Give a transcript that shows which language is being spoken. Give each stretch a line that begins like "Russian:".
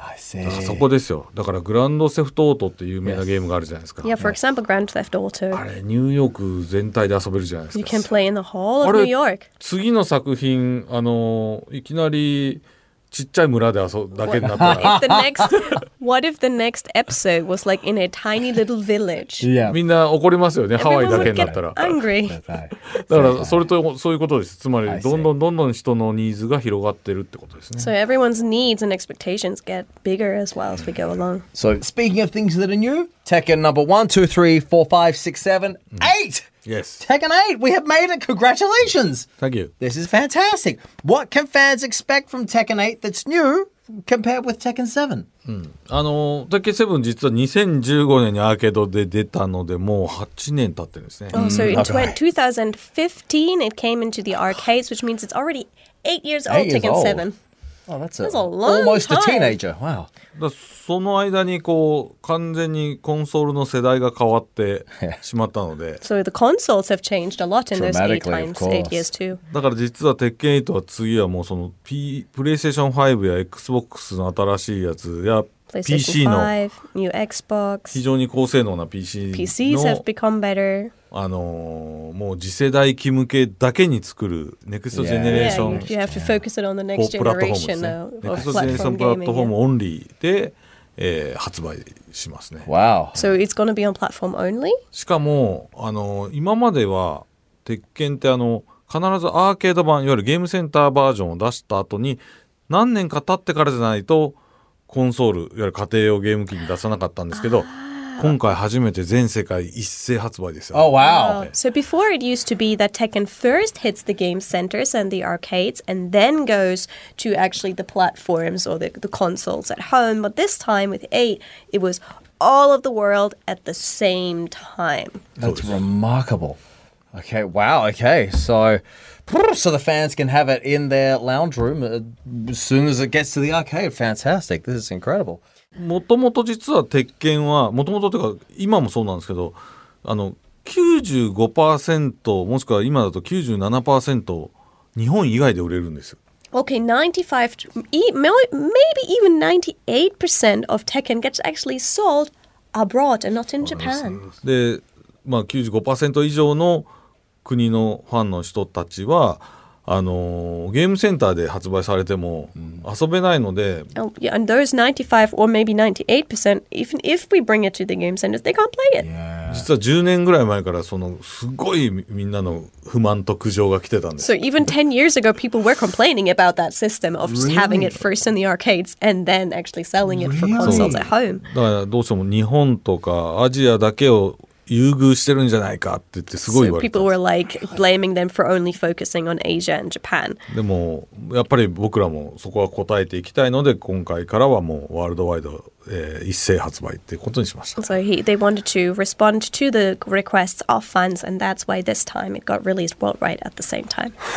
English: I see.
Japanese: そこですよ。だからグランドセフトオートって有名なゲームがあるじゃないですか。
English: Yeah, for example, Grand Theft Auto.
Japanese: あれニューヨーク全体で遊べるじゃないですか。
English: You can play in the whole of New York.
Japanese: 次の作品いきなりちっちゃい村で遊ぶだけになったら
English: what, if the next, what if the next episode was like in a tiny little village? Yeah.
Japanese: みんな怒りますよね、ハワイだけになったら。
English: Everyone would get angry.
Japanese: だからそれとそういうことです。つまりどんどんどんどん人のニーズが広がってるってことですね。
English: So everyone's needs and expectations get bigger as well as we go along. So speaking of things that are new, Tekken number 1, 2, 3, 4, 5, 6, 7, 8! Yes. Tekken 8, we have made it. Congratulations. Thank you. This is fantastic. What can fans expect from Tekken 8 that's new compared with Tekken 7?
Japanese: Tekken 7 実は2015年にアーケードで出たのでもう8年経ってるんですね。
English: Oh, so in 2015 it came into the arcades, which means it's already 8 years old, Tekken 7. Oh, that's a long time. Almost a teenager. Wow.
Japanese: だその間にこう完全にコンソールの世代が変わってしまったので。
English: So the consoles have changed a lot in those eight years too.
Japanese: だから実は鉄拳8は次はもうその PlayStation 5や Xbox の新しいやつや PC の
English: new Xbox
Japanese: 非常に高性能な PC の
English: PCs have become better.
Japanese: もう次世代機向けだけに作るネクストジェネレーション、
English: yeah.
Japanese: プラットフォームですね。ネクストジェネレーションプラットフォーム、ネクストジェネレーションプラットフォームオンリーで、発売しますね。
English: Wow. So it's gonna be on platform only?
Japanese: しかも今までは鉄拳って必ずアーケード版いわゆるゲームセンターバージョンを出した後に何年か経ってからじゃないとコンソールいわゆる家庭用ゲーム機に出さなかったんですけど今回初めて全世界一斉発売ですよ。
English: Oh, wow. So before it used to be that Tekken first hits the game centers and the arcades and then goes to actually the platforms or the consoles at home. But this time with 8, it was all of the world at the same time. That's remarkable. Okay, wow, okay. So the fans can have it in their lounge room as soon as it gets to the arcade. Fantastic. This is incredible.
Japanese: もともと実は鉄拳はもともとというか今もそうなんですけど95%もしくは今だと 97% 日本以外で売れるんですよ。
English: Okay, 95% maybe even 98% of Tekken gets actually sold abroad and not in Japan.
Japanese: で、まあ、95% 以上の国のファンの人たちはゲームセンターで発売されても遊べないので、
English: oh, yeah, and those 95 or maybe 98% even if we bring it to the game centers they can't play it. Yeah.
Japanese: 実は10年ぐらい前からそのすごいみんなの不満と苦情が来てたんです。
English: So even 10 years ago, people were complaining about that system of just having it first in the arcades and then actually selling it for consoles at home.
Japanese: だからどうしても日本とかアジアだけを優遇してるんじゃないかって言ってすごい言われ
English: た。 So people were like blaming them for only focusing on Asia and Japan.
Japanese: でもやっぱり僕らもそこは答えていきたいので今回からはもうワールドワイド一斉発売ってことにしました。
English: So they wanted to respond to the requests of fans and that's why this time it got released worldwide at the same time.